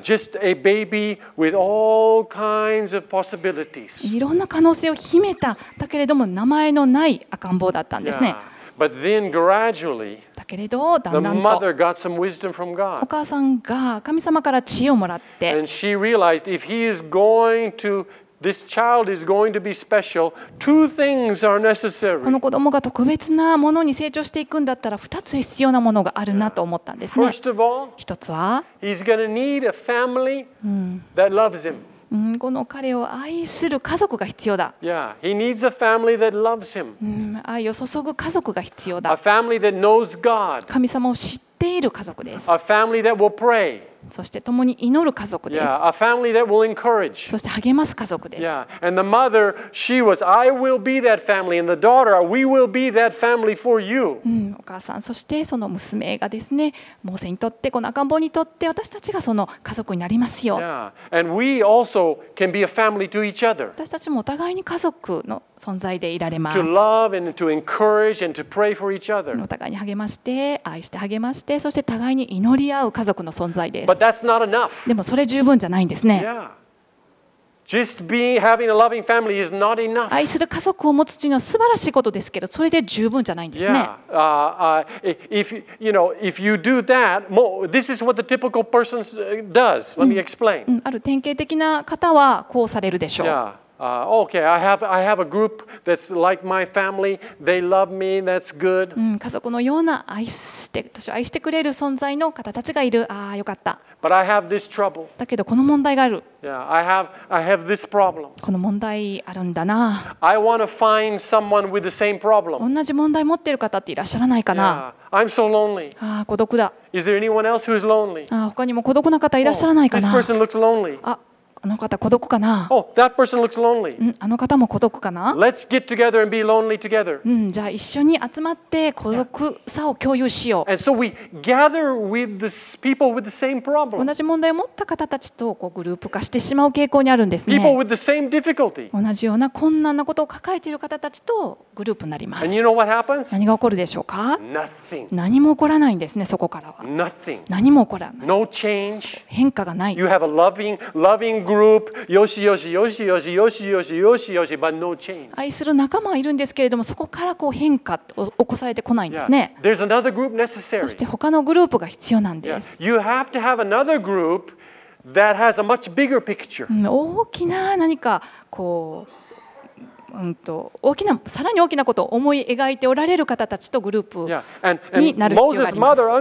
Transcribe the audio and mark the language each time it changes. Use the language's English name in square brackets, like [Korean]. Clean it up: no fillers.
[English] Just a baby with all kinds of possibilities. [Japanese] いろんな可能性を秘めた、だけれども名前のない赤ん坊だったんですね。 [English] Yeah. But then gradually, [Japanese] だけれど、だんだんと、 [English] the mother got some wisdom from God. [Japanese] お母さんが神様から知恵をもらって、 [English] and she realized if he is going to, this child is going to be special, two things are necessary. [Japanese] この子供が特別なものに成長していくんだったら、二つ必要なものがあるなと思ったんですね。 [English] First of all, [Japanese] 一つは、 [English] he's going to need a family that loves him. [Japanese] この彼を愛する家族が必要だ。 [English] Yeah, he needs a family that loves him. [Japanese] 愛を注ぐ家族が必要だ。 [English] A family that knows God. [Japanese] 神様を知っている家族です。 [English] A family that will pray. [Japanese] そして共に祈る家族です。 [English] Yeah, a family that will encourage. [Japanese] そして励ます家族です。 [English] Yeah, and the mother, she was, I will be that family, and the daughter, we will be that family for you. [Japanese] お母さん、そしてその娘がですね、モーセにとってこの赤ん坊にとって私たちがその家族になりますよ。 [English] Yeah, and we also can be a family to each other. [Japanese] 私たちもお互いに家族の存在でいられます。 [English] To love and to encourage and to pray for each other. [Japanese] お互いに励まして、愛して励まして、そして互いに祈り合う家族の存在です。 [English] But that's not enough. [Japanese] でもそれ十分じゃないんですね。 [English] Just being having a loving family is not enough. [Japanese] 愛する家族を持つというのは素晴らしいことですけど、それで十分じゃないんですね。 [English] If you know, if you do that, this is what the typical person does. Let me explain. [Japanese] ある典型的な方はこうされるでしょう。 [English] Okay, I have a group that's like my family. They love me. That's good. [Japanese] 家族のような愛して私を愛してくれる存在の方たちがいる。ああ、よかった。 [English] But I have this trouble. [Japanese] だけどこの問題がある。 [English] Yeah, I have this problem. [Japanese] この問題あるんだな。 [English] I want to find someone with the same problem. [Japanese] 同じ問題持ってる方っていらっしゃらないかな。 [English] Yeah, I'm so lonely. [Japanese] ああ、孤独だ。 [English] Is there anyone else who is lonely? [Japanese] ああ、他にも孤独な方いらっしゃらないかな。 [English] This person looks lonely. [Japanese] あの方孤独かな。 [English] Oh, that person looks lonely. [Japanese] うん、あの方も孤独かな。 [English] Let's get together and be lonely together. [Japanese] うん、じゃあ一緒に集まって孤独さを共有しよう。 [English] And so we gather with the people with the same problem. [Japanese] 同じ問題を持った方たちとこうグループ化してしまう傾向にあるんですね。 [English] People with the same difficulty. [Japanese] 同じような困難なことを抱えている方たちとグループになります。 [English] And you know what happens? [Japanese] 何が起こるでしょうか。 [English] Nothing. [Japanese] 何も起こらないんですね、そこからは。 [English] Nothing. [Japanese] 何も起こらない。 [English] No change. [Japanese] 変化がない。 [English] You have a loving group. [Japanese] よしよしよしよしよしよしよしよし、 [English] but no change. [Japanese] 愛する仲間はいるんですけれども、そこからこう変化を起こされてこないんですね。 [English] Yeah. There's another group necessary. [Japanese] そして他のグループが必要なんです。 [English] Yeah. You have to have another group that has a much bigger picture. [Japanese] 大きな何かこう。大きなさらに大きなことを思い描いておられる方たちとグループになる必要があります。